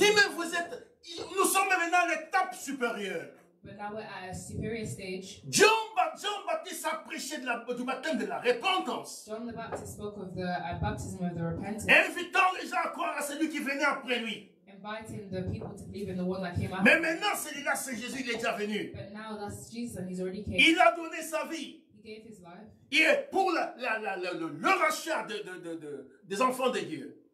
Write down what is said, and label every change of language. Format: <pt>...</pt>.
<fr>Dis, mais vous êtes, nous sommes maintenant à l'étape supérieure.</fr> <en>But now we're at a superior stage.</en> <fr>John Baptiste a prêché du baptême de la repentance.</fr> <en>John the Baptist spoke of the baptism of the repentance.</en> <fr>Invitant les gens à croire à celui qui venait après lui.</fr> <en>Inviting the people to believe in the one that came after.</en> <fr>Mais maintenant, celui-là, c'est Jésus, il est déjà venu.</fr> <en>But now that's Jesus, he's already came.</en> <fr>Il a donné sa vie.</fr> <en>He gave his life.</en> <fr>Et pour le rachat des enfants de Dieu.</fr>